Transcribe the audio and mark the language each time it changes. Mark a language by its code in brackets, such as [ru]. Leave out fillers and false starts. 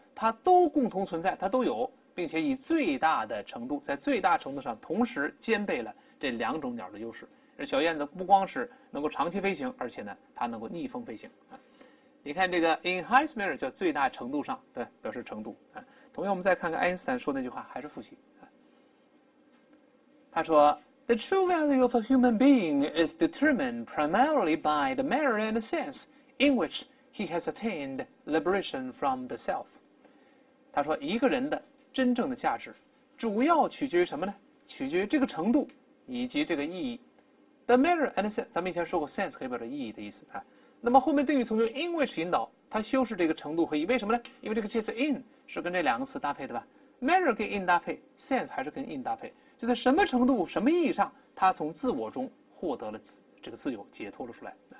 [zh] 它都共同存在，它都有，并且以最大的程度，在最大程度上同时兼备了这两种鸟的优势。而小燕子不光是能够长期飞行，而且呢，它能够逆风飞行啊。你看这个 enhancement 叫最大程度上，对，表示程度啊。同样，我们再看看爱因斯坦说那句话，还是复习啊。 [en] 他说：“The true value of a human being is determined primarily by the manner and sense in which he has attained liberation from the self。 [zh] ”他说，一个人的真正的价值，主要取决于什么呢？取决于这个程度以及这个意义。 [en] The manner and sense， [zh] 咱们以前说过，sense 可以表示意义的意思啊。那么后面定语从用 in which 引导，它修饰这个程度和意，为什么呢？因为这个介词 in 是跟这两个词搭配的吧，manner 跟 in 搭配，sense 还是跟 in 搭配，就在什么程度、什么意义上，它从自我中获得了这个自由，解脱了出来。